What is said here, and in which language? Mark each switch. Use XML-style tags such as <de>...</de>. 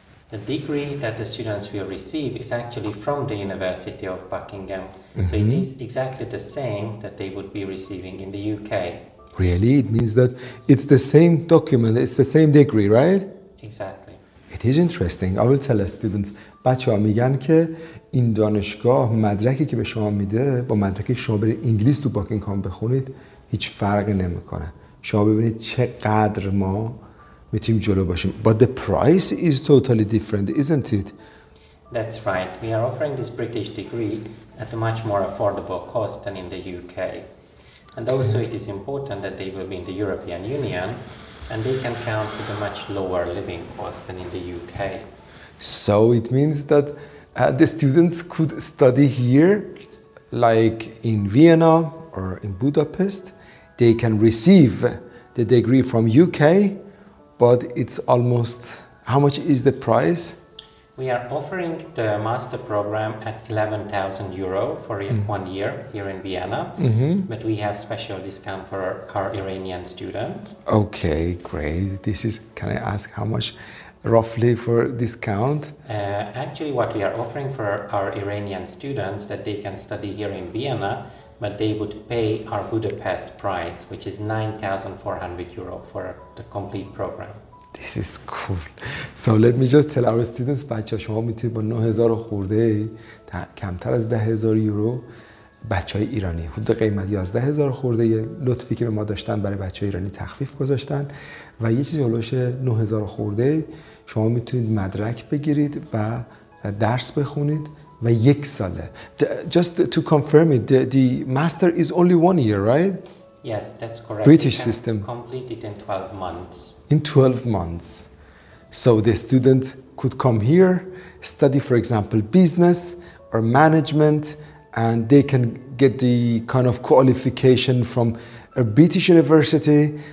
<en>The degree that the students will receive is actually from the University of Buckingham. Mm-hmm. So it is exactly the same that they would be receiving in the UK. Really? It means that it's the same document, it's the same degree, right? Exactly. It is interesting. I will tell the students.</en> <fa>بچه ها میگن که این دانشگاه مدرکی که به شما میده با مدرکی که شما برید انگلیس تو باکینگهام بخونید هیچ فرق نمی کنه. شما ببینید چقدر ما میتونیم جلو باشیم.</fa> <en>But the price is totally different, isn't it? That's right. We are offering this British degree at a much more affordable cost than in the UK. And okay. Also it is important that they will be in the European Union and they can count with a much lower living cost than in the UK. So it means that the students could study here like in Vienna or in Budapest. They can receive the degree from UK, but it's almost, how much is the price? We are offering the master program at 11,000 euro for 1 year here in Vienna, but we have special discount for our Iranian students. Okay, great. This is, can I ask how much roughly for discount? Actually, what we are offering for our Iranian students that they can study here in Vienna, but they would pay our Budapest price, which is 9,400 euro for the complete program. This is cool. So let me just tell our students,</en> <fa>بچه ها شما میتونید با 9,000 خورده کمتر از 10,000 یورو بچه های ایرانی حدود قیمت 11,000 خورده لطفی که به ما داشتن برای بچه های ایرانی تخفیف گذاشتن و یه چیزی حلوش 9,000 خورده شما میتونید مدرک بگیرید و درس بخونید و یک ساله.</fa> <en>Just to confirm it, the master is only 1 year, right? Yes, that's correct. British system. Complete it in 12 months. In 12 months. So the student could come here, study, for example, business or management, and they can get the kind of qualification from a British university.</en>